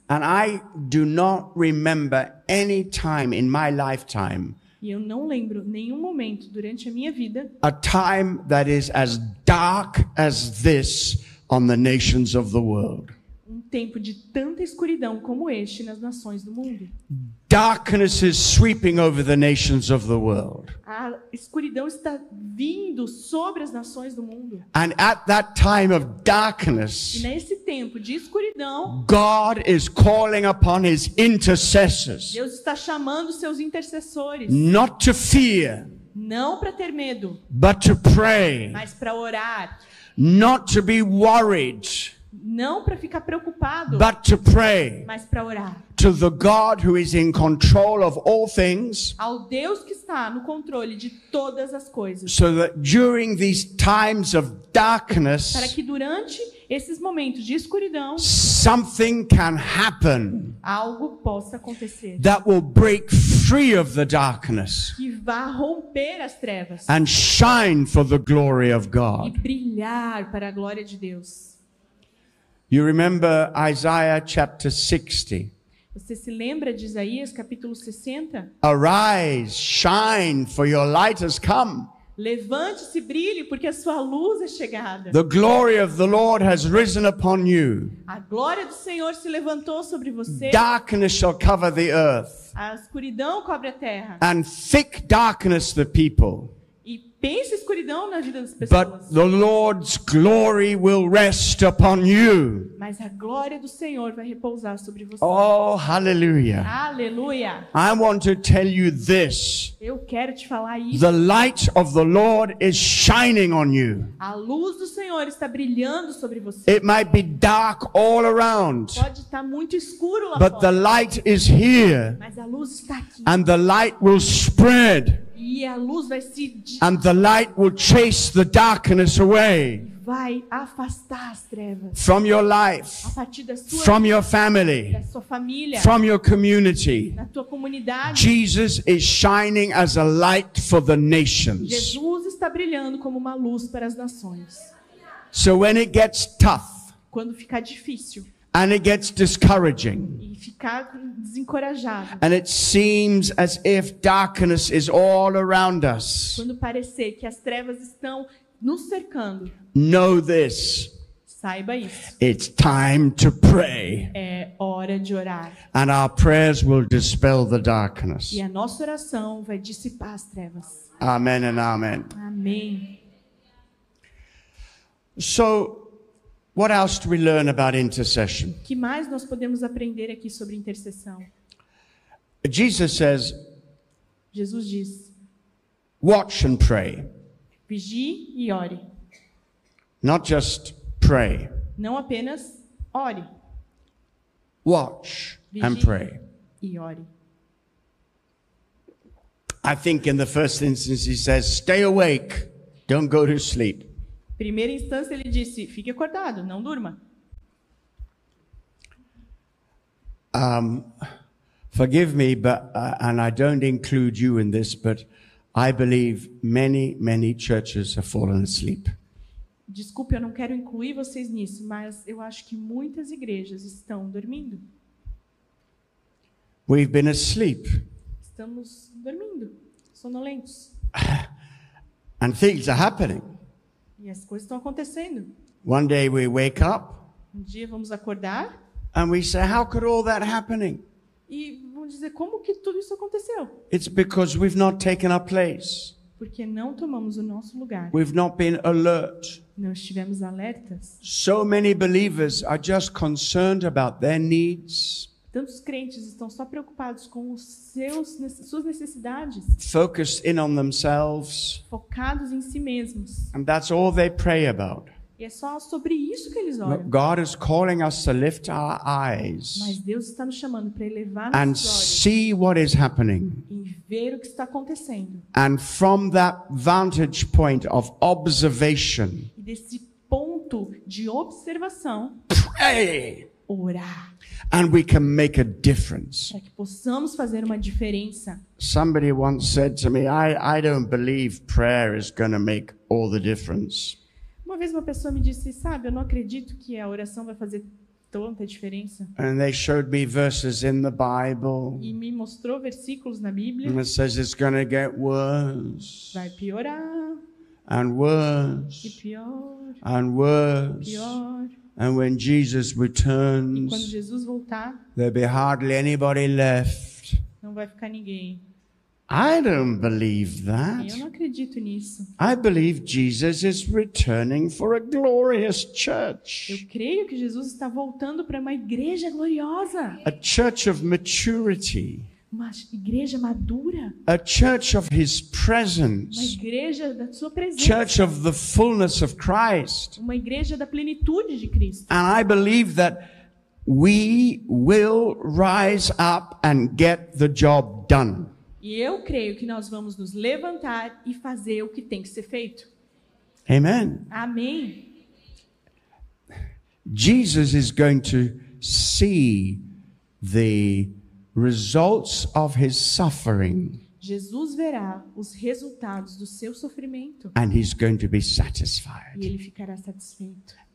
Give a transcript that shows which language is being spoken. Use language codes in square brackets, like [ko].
[en] And I do not remember any time in my lifetime. [pt] E eu não lembro nenhum momento durante a minha vida. [en] A time that is as dark as this on the nations of the world. [pt] Um tempo de tanta escuridão como este nas nações do mundo. [en] Darkness is sweeping over the nations of the world. [pt] A escuridão está vindo sobre as nações do mundo. [en] And at that time of darkness, [pt] nesse tempo de escuridão, [en] God is calling upon his intercessors. [pt] Deus está chamando seus intercessores. [en] Not to fear. [pt] Não para ter medo. [en] But to pray. [pt] Mas para orar. [en] Not to be worried. [pt] Não para ficar preocupado, [en] but to pray, [pt] mas para orar. [en] To the God who is in control of all things, [pt] ao Deus que está no controle de todas as coisas. [en] So that during these times of darkness, [pt] para que durante esses momentos de escuridão, [en] something can happen, [pt] algo possa acontecer, [en] that will break free of the darkness, [pt] que vá romper as trevas, [en] and shine for the glory of God, [pt] e brilhar para a glória de Deus. [en] You remember Isaiah chapter 60? [pt] Você se lembra de Isaías capítulo 60? [en] Arise, shine, for your light has come. [pt] Levante-se, brilhe, porque a sua luz é chegada. [en] The glory of the Lord has risen upon you. [pt] A glória do Senhor se levantou sobre você. [en] Darkness shall cover the earth. [pt] A escuridão cobre a terra. [en] And thick darkness the people. [pt] Pense escuridão na vida das pessoas. [en] But the Lord's glory will rest upon you. [pt] Mas a glória do Senhor vai repousar sobre você. [en] Oh, hallelujah. Hallelujah. I want to tell you this. [pt] Eu quero te falar isso. [en] The light of the Lord is shining on you. [pt] A luz do Senhor está brilhando sobre você. [en] It might be dark all around. [pt] Pode estar muito escuro lá fora. [en] But the light is here. [pt] Mas a luz está aqui. [en] And the light will spread. [pt] E a luz vai se... [en] And the light will chase the darkness away. [pt] Vai afastar as trevas. [en] From your life. [pt] A partir da sua [en] from [pt] vida, [en] your family. [pt] Da sua família, [en] from your community. [pt] Da tua comunidade. [en] Jesus is shining as a light for the nations. [pt] Jesus está brilhando como uma luz para as nações. [en] So when it gets tough. [pt] Quando ficar difícil. [en] And it gets discouraging. [pt] E ficar desencorajado. [en] And it seems as if darkness is all around us. [pt] Quando parecer que as trevas estão nos cercando. [en] Know this. [pt] Saiba isso. [en] It's time to pray. [pt] É hora de orar. [en] And our prayers will dispel the darkness. [pt] E a nossa oração vai dissipar as trevas. [en] Amen and amen. [pt] Amém. [en] So, what else do we learn about intercession? [pt] Que mais nós podemos aprender aqui sobre intercessão? [en] Jesus says, [pt] Jesus diz, [en] watch and pray. [pt] Vigie e ore. [en] Not just pray. [pt] Não apenas ore. [en] Watch and pray. [pt] E ore. [en] I think in the first instance he says, stay awake, don't go to sleep. [pt] Primeira instância ele disse, fique acordado, não durma. [en] Forgive me, but and I don't include you in this, but I believe many, many churches have fallen asleep. [pt] Desculpe, eu não quero incluir vocês nisso, mas eu acho que muitas igrejas estão dormindo. [en] We've been asleep. [pt] Estamos dormindo, sonolentos. [en] And things are happening. [pt] E as coisas estão acontecendo. [en] One day we wake up. [pt] Um dia vamos acordar. [en] And we say, how could all that happening? [pt] E vamos dizer, como que tudo isso aconteceu? [en] It's because we've not taken our place. [pt] Porque não tomamos o nosso lugar. [en] We've not been alert. [pt] Não estivemos alertas. [en] So many believers are just concerned about their needs. [pt] Tantos crentes estão só preocupados com os seus, suas necessidades. [en] Focus in on themselves. [pt] Focados em si mesmos. [en] And that's all they pray about. [pt] E é só sobre isso que eles oram. [en] God is calling us to lift our eyes. [pt] Mas Deus está nos chamando para elevar nossos [en] and [pt] olhos. [en] See what is happening. [pt] E ver o que está acontecendo. [en] And from that vantage point of observation. [pt] E desse ponto de observação. [en] Pray. [pt] Orar. [en] And we can make a difference. [pt] Para que possamos fazer uma diferença. [en] Somebody once said to me, I don't believe prayer is going to make all the difference. [pt] Uma vez uma pessoa me disse, sabe, eu não acredito que a oração vai fazer tanta diferença. [en] And they showed me verses in the Bible. [pt] E me mostrou versículos na Bíblia. [en] And it says it's gonna get worse. [pt] Vai piorar. [en] And worse. [pt] E pior. [en] And worse. [pt] E pior. [en] And when Jesus returns. [pt] E quando Jesus voltar. [en] There'll be hardly anybody left. [pt] Não vai ficar ninguém. [en] I don't believe that. [pt] Eu não acredito nisso. [en] I believe Jesus is returning for a glorious church. [pt] Eu creio que Jesus está voltando para uma igreja gloriosa. [en] A church of maturity. [pt] Uma igreja madura. [en] A church of his presence. [pt] Uma igreja da sua presença. [en] Church of the fullness of Christ. [pt] Uma igreja da plenitude de Cristo. [en] And I believe that we will rise up and get the job done. [pt] E eu creio que nós vamos nos levantar e fazer o que tem que ser feito. [en] Amen. [pt] Amém. [en] Jesus is going to see the results of his suffering. [pt] Jesus verá os resultados do seu sofrimento. [en] And he's going to be satisfied. [pt] E ele ficará satisfeito.